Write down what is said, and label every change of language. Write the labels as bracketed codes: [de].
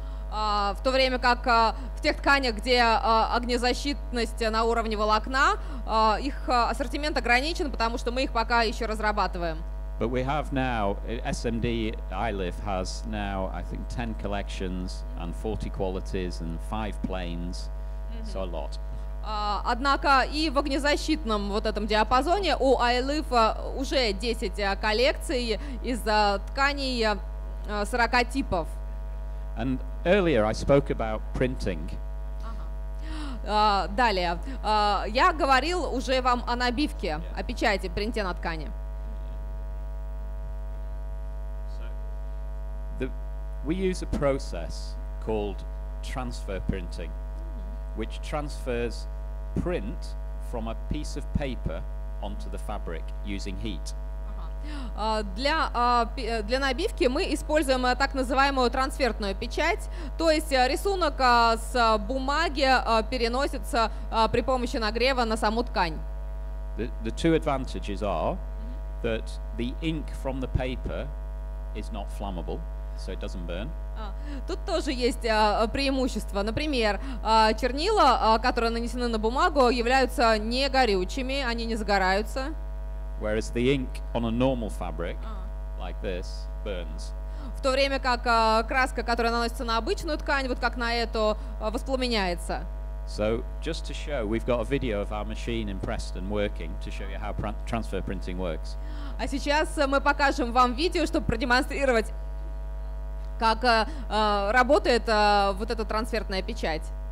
[ru] В то время как в тех тканях, где огнезащитность на уровне волокна, их ассортимент ограничен, потому что мы их пока еще разрабатываем. [en] But we have now, SMD ILIF has now, I think, 10 collections and 40 qualities and 5 planes, so a lot. [ru] Однако и в огнезащитном вот этом диапазоне у ILIF уже 10 коллекций из тканей 40 типов. [en] And earlier I spoke about printing. [ru] Далее. Я говорил уже вам о набивке, о печати, принте на ткани. [en] So, we use a process called transfer printing, which transfers print from a piece of paper onto the fabric using heat. [ru] Для набивки мы используем так называемую трансфертную печать, то есть рисунок с бумаги переносится при помощи нагрева на саму ткань. [en] The two advantages are that the ink from the paper is not flammable, so it doesn't burn. [ru] Тут тоже есть преимущество. Например, чернила, которые нанесены на бумагу, являются не горючими, они не загораются. [en] Whereas the ink on a normal fabric, like this, burns. [ru] В то время как краска, которая наносится на обычную ткань, вот как на эту, воспламеняется. [en] So, just to show, we've got a video of our machine in Preston working to show you how transfer printing works. [ru] А сейчас мы покажем вам видео, чтобы продемонстрировать, как работает вот эта трансфертная печать.